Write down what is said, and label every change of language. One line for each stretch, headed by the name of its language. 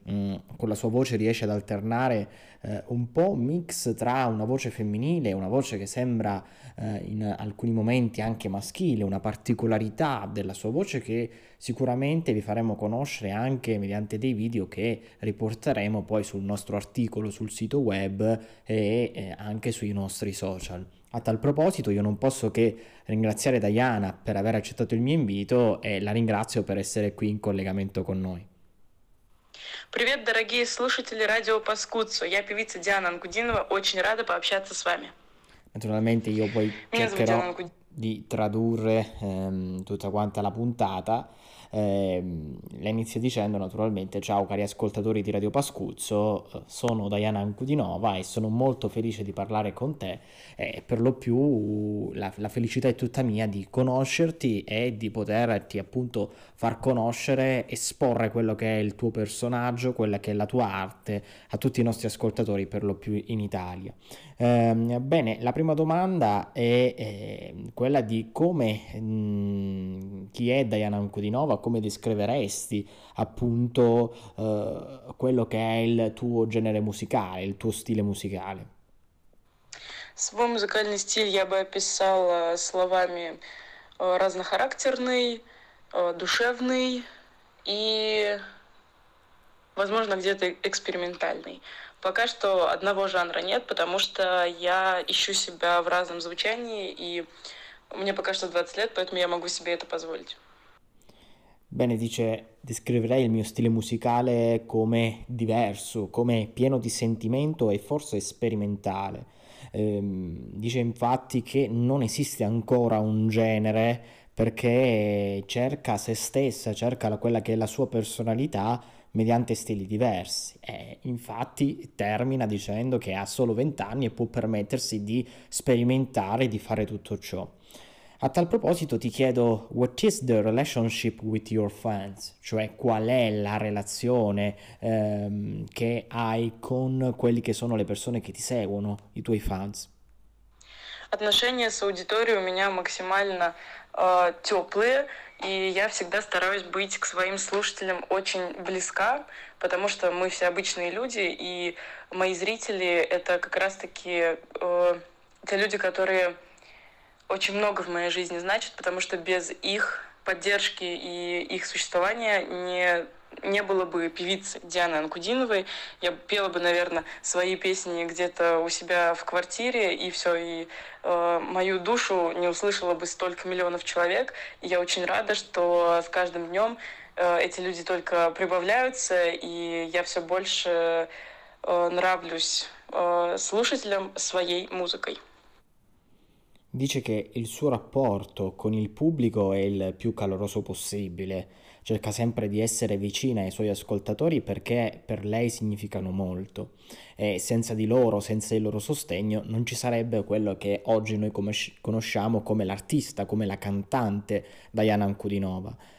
Italian: Con la sua voce riesce ad alternare un po' mix tra una voce femminile, una voce che sembra in alcuni momenti anche maschile, una particolarità della sua voce che sicuramente vi faremo conoscere anche mediante dei video che riporteremo poi sul nostro articolo sul sito web e anche sui nostri social. A tal proposito io non posso che ringraziare Diana per aver accettato il mio invito e la ringrazio per essere qui in collegamento con noi.
Russian: Привет, дорогие слушатели радио Паскуцу. Я певица Диана Ангудинова, очень рада пообщаться с вами.
Italian: Naturalmente io poi cercherò di tradurre tutta quanta la puntata. La inizio dicendo naturalmente: ciao cari ascoltatori di Radio Pascuzzo, sono Diana Ankudinova e sono molto felice di parlare con te e per lo più la felicità è tutta mia di conoscerti e di poterti appunto far conoscere, esporre quello che è il tuo personaggio, quella che è la tua arte a tutti i nostri ascoltatori per lo più in Italia. Bene, la prima domanda è quella di come chi è Diana Ankudinova. Come descriveresti appunto quello che è il tuo genere musicale, il tuo stile musicale?
Russian: Свой музыкальный стиль я бы описала словами разнохарактерный, душевный и, возможно, где-то экспериментальный. Пока что одного жанра нет, потому что я ищу себя в разном звучании и мне пока что 20 лет, поэтому я могу себе это позволить.
Italian: Bene, dice, descriverei il mio stile musicale come diverso, come pieno di sentimento e forse sperimentale. Dice infatti che non esiste ancora un genere perché cerca se stessa, cerca quella che è la sua personalità mediante stili diversi. Infatti termina dicendo che ha solo 20 anni e può permettersi di sperimentare e di fare tutto ciò. A tal proposito ti chiedo,
English: what is the relationship with your fans?
Italian: Cioè, qual è la relazione che hai con quelli che sono le persone che ti seguono, i tuoi fans?
Russian: Отношения с аудиторией у меня максимально теплые, и я всегда стараюсь быть к своим слушателям очень близка, потому что мы все обычные люди, и мои зрители — это как раз-таки те люди, которые очень много в моей жизни значит, потому что без их поддержки и их существования не было бы певицы Дианы Ankudinovой. Я пела бы, наверное, свои песни где-то у себя в квартире, и все, и мою душу не услышало бы столько миллионов человек. И я очень рада, что с каждым днем эти люди только прибавляются, и я все больше нравлюсь слушателям своей музыкой.
Italian: Dice che il suo rapporto con il pubblico è il più caloroso possibile, cerca sempre di essere vicina ai suoi ascoltatori perché per lei significano molto e senza di loro, senza il loro sostegno, non ci sarebbe quello che oggi noi conosciamo come l'artista, come la cantante Diana Ankudinova.